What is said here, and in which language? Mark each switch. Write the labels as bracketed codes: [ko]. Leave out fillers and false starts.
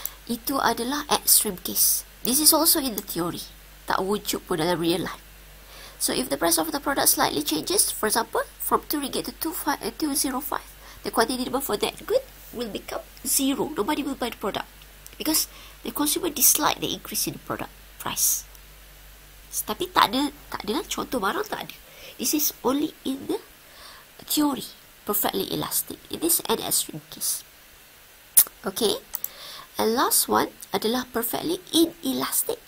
[ms] Itu adalah extreme case. [en] This is also in the theory. [ms] Tak wujud pun dalam [en] real life. So, if the price of the product slightly changes, for example, from RM2 to 205, the quantity demand for that good will become zero. Nobody will buy the product. Because the consumer dislike the increase in the product price. [ms] Tapi tak ada lah. Contoh barang tak ada. [en] This is only in the theory. Perfectly elastic. It is an extreme case. Okay. And last one adalah perfectly inelastic.